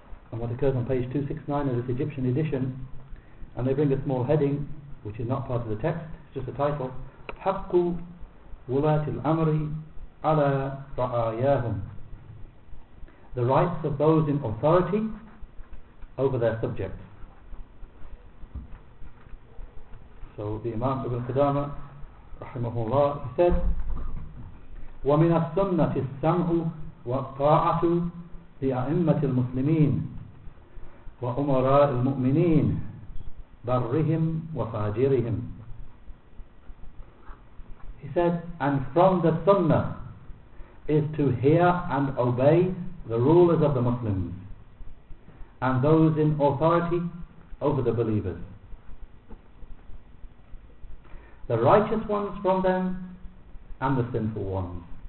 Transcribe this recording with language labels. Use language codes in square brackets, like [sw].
[en] And what occurs on page 269 of this Egyptian edition, and they bring a small heading, which is not part of the text, it's just a title, [ar] حَقُّ وُلَاتِ الْأَمْرِ عَلَىٰ رَعَيَاهُمْ, [en] the rights of those in authority over their subjects. So the Imam Ibn Qudama, rahimahullah, he said, [ar] وَمِنَ السُّنَّةِ السَّمْعُ وَالطَّاعَةُ لِأَئِمَّةِ الْمُسْلِمِينَ وَأُمَرَاءِ الْمُؤْمِنِينَ بَرِّهِمْ وَفَاجِرِهِمْ. [en] He said, and from the sunnah is to hear and obey the rulers of the Muslims and those in authority over the believers. The righteous ones from them and the sinful ones.